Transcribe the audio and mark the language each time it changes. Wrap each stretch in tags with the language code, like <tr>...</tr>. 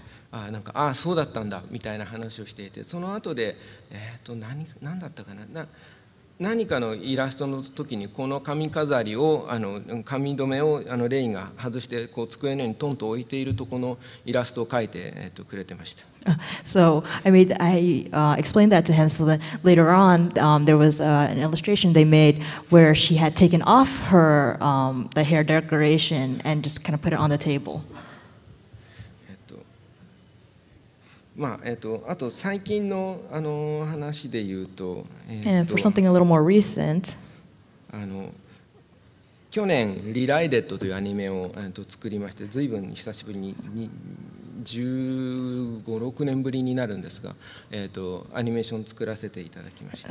<ja>Ah, なんか、ああ、そうだったんだみたいな話をしていて、その後で、何だったかな、何かのイラストの時にこの髪飾りをあの髪留めをあのレインが外してこう机の上にトンと置いているとこのイラストを描いて、くれてました。</ja> <en>So I made explained that to him. So that later on, there was an illustration they made where she had taken off her the hair decoration and just kind of put it on the table.</en> <ja>まああと最近のあの話で言うと、</ja> <en>And for something a little more recent,</en> <ja>あの去年リライデッドというアニメを作りまして、随分久しぶりに 15、6年ぶりになるんですが、アニメーション作らせていただきました。</ja>